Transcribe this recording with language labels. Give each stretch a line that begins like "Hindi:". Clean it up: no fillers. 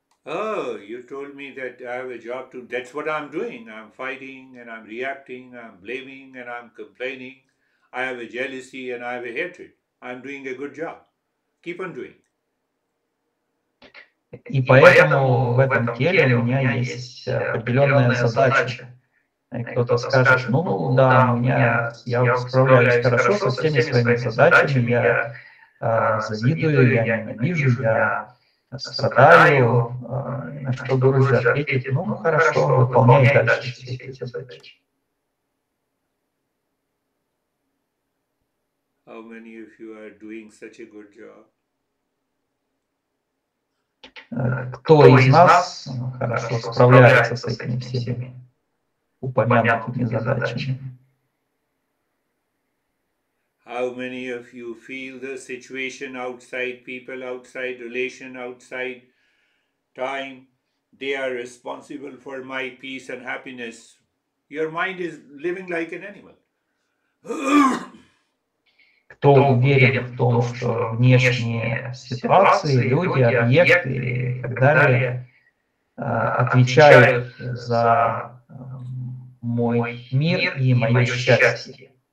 English: Oh, you told me that I have a job to, that's what I'm doing. I'm fighting and I'm reacting, I'm blaming and I'm complaining. I have a jealousy and I have a hatred. I'm doing a good job. Keep on doing.
Russian: І поэтому в этом теле у меня есть определенная задача. Кто-то скажет, да, я справляюсь хорошо со всеми своими задачами, я завидую, я ненавижу, я страдаю, на что дурость ответить, хорошо, выполняй дальше все эти задачи.
English: How many of you are doing such a good job?
Russian: Кто из нас хорошо справляется с этими всеми упомянутыми задачами?
English: How many of you feel the situation outside, people outside, relation outside, time, they are responsible for my peace and happiness? Your mind is living like an animal.
Russian: Кто уверен в том, что внешние ситуации, люди, объекты и так далее отвечают за мой мир и мое счастье?